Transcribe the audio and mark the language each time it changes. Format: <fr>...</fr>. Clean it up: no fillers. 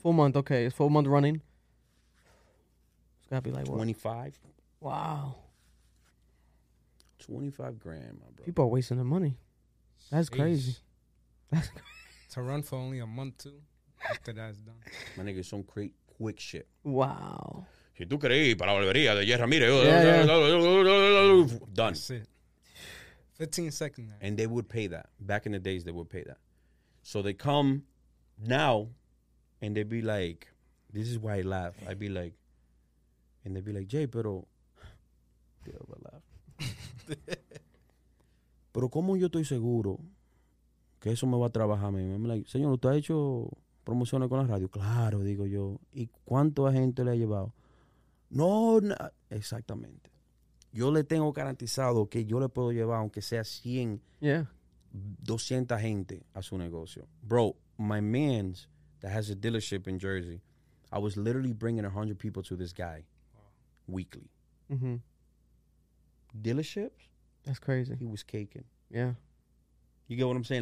<en>full month, okay, it's full month running. It's gotta be like 25. Wow. 25 grand, my bro. People are wasting their money. That's Jeez. Crazy. That's crazy. To run for only a month, too, after that's done. My nigga, some great quick shit. Wow.</en> <es>Si tú querés ir para la barbería de Jerry Ramirez, done.</es> <en>That's it. 15 seconds. Man. And they would pay that. Back in the days, they would pay that. So they come now, and they'd be like, this is why I laugh. I'd be like, and they'd be like, Jay,</en> <es>pero...</es> <en>They would laugh.</en> <es>Pero como yo estoy seguro... Que eso me va a trabajar a mí. Me</es> <en>like,</en> <es>señor, ¿usted ha hecho promociones con la radio? Claro, digo yo. ¿Y cuánto a gente le ha llevado? No, no. Exactamente. Yo le tengo garantizado que yo le puedo llevar, aunque sea 100,</es> <en>yeah,</en> <es>200 gente a su negocio.</es> <en>Bro, my man's that has a dealership in Jersey, I was literally bringing 100 people to this guy weekly. Mm-hmm. Dealerships? That's crazy. He was caking. Yeah. You get what I'm saying?</en>